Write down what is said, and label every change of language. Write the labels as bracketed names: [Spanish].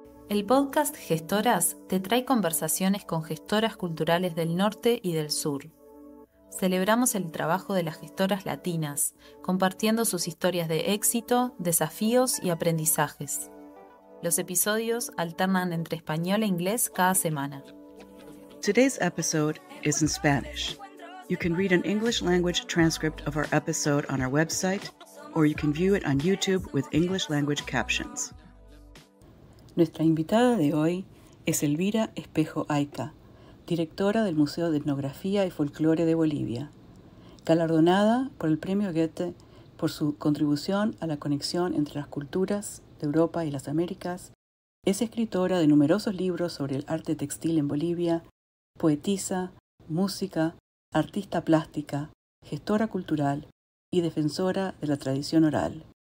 [Spanish] El podcast Gestoras te trae conversaciones con gestoras culturales del norte y del sur. Celebramos el trabajo de las gestoras latinas, compartiendo sus historias de éxito, desafíos y aprendizajes. Los episodios alternan entre español e inglés cada semana. [English] Today's episode is in Spanish. You can read an English language transcript of our episode on our website, or you can view it on YouTube with English language captions. [Spanish] Nuestra invitada de hoy es Elvira Espejo Aica, directora del Museo de Etnografía y Folclore de Bolivia, galardonada por el Premio Goethe por su contribución a la conexión entre las culturas de Europa y las Américas, es escritora de numerosos libros sobre el arte textil en Bolivia, poetisa, música, artista plástica, gestora cultural y defensora de la tradición oral.